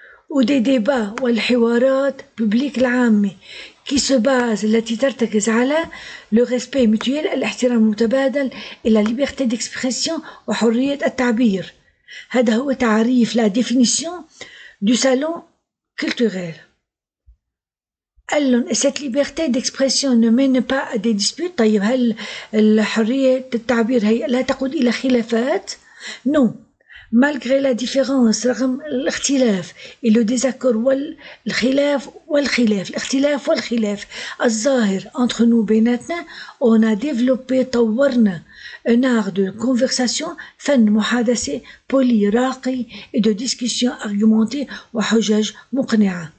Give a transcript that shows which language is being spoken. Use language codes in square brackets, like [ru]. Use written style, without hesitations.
[fr] ou des débats [ar] والحوارات [fr] public [ar] العامة [fr] qui se base [ar] التي ترتكز على [fr] le respect mutuel [ar] الاحترام المتبادل [fr] et la liberté d'expression [ar] وحرية التعبير. هذا هو تعريف [fr] la définition du salon culturel. Alors, cette liberté d'expression ne mène pas à des disputes. [ar] طيب هل الحرية التعبير هي لا تقود إلى خلافات؟ Non. [fr] Malgré la différence, [ar] رغم الاختلاف [fr] et le désaccord [ar] والخلاف والخلاف الاختلاف والخلاف الظاهر [fr] entre nous [ar] بيناتنا, [fr] on a développé [ar] طورنا [fr] un art de conversation [ar] فن محادثة [fr] poli [ar] راقي [fr] et de discussion argumentée [ar] وحجج مقنعة.